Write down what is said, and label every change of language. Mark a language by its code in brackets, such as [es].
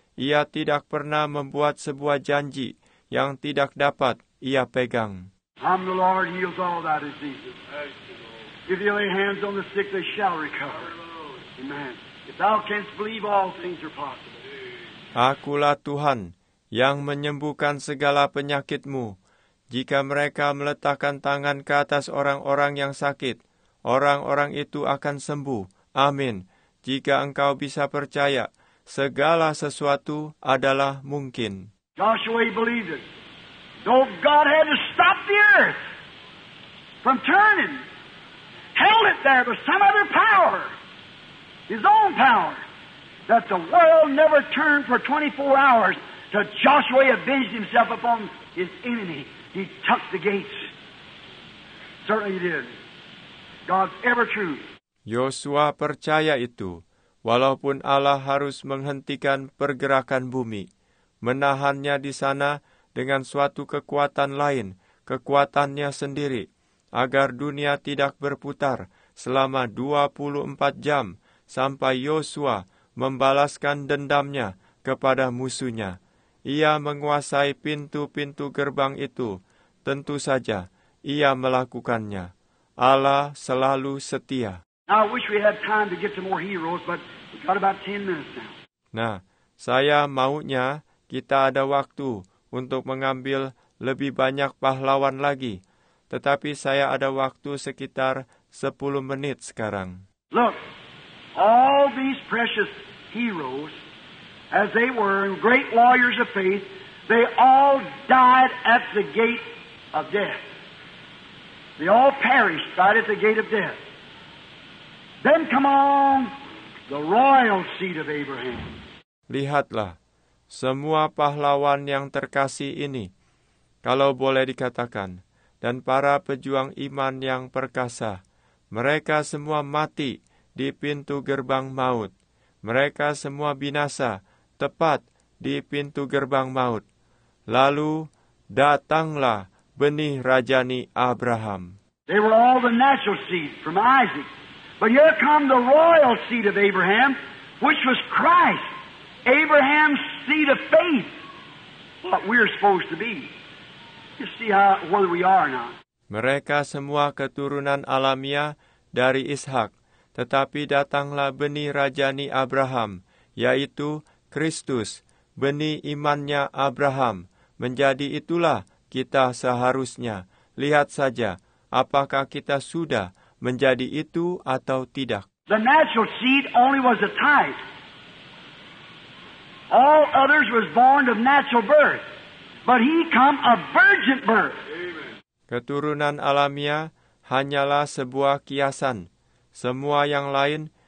[id] Ia tidak pernah membuat sebuah janji yang tidak dapat ia pegang. [en] I'm the Lord, heals all thy diseases. If you lay hands on the sick, they shall recover. Amen. If thou canst believe, all things are possible. [id] Akulah Tuhan yang menyembuhkan segala penyakitmu. Jika mereka meletakkan tangan ke atas orang-orang yang sakit, orang-orang itu akan sembuh. Amin. Jika engkau bisa percaya, segala sesuatu adalah mungkin. [en] Joshua believed it. Though God had to stop the earth from turning, held it there with some other power, his own power, that the world never turned for 24 hours. So Joshua avenged himself upon his enemy. He took the gates. Certainly he did. God's ever true. [id] Yosua percaya itu, walaupun Allah harus menghentikan pergerakan bumi, menahannya di sana dengan suatu kekuatan lain, kekuatannya sendiri, agar dunia tidak berputar selama 24 jam sampai Yosua membalaskan dendamnya kepada musuhnya. Ia menguasai pintu-pintu gerbang itu. Tentu saja, ia melakukannya. Allah selalu setia. [en] I wish we had time to get to more heroes, but we've got about 10 minutes now. [id] Nah, saya maunya kita ada waktu untuk mengambil lebih banyak pahlawan lagi. Tetapi saya ada waktu sekitar 10 menit sekarang. [en] Look, all these precious heroes, as they were great warriors of faith, they all died at the gate of death. They all perished right at the gate of death. Then come on the royal seed of Abraham. [id] Lihatlah, semua pahlawan yang terkasih ini, kalau boleh dikatakan, dan para pejuang iman yang perkasa, mereka semua mati di pintu gerbang maut. Mereka semua binasa tepat di pintu gerbang maut. Lalu datanglah benih rajani Abraham. [en] They were all the natural seed from Isaac. But here come the royal seed of Abraham, which was Christ. Abraham's seed of faith. What we're supposed to be. You see how, whether we are or not. [id] Mereka semua keturunan alamiah dari Ishak. Tetapi datanglah benih rajani Abraham, yaitu Kristus, benih imannya Abraham, menjadi itulah kita seharusnya. Lihat saja, apakah kita sudah menjadi itu atau tidak. [en] The natural seed only was a type. All others was born of natural birth. But he come a virgin birth. [id] Keturunan alamiah hanyalah sebuah kiasan. Semua yang lain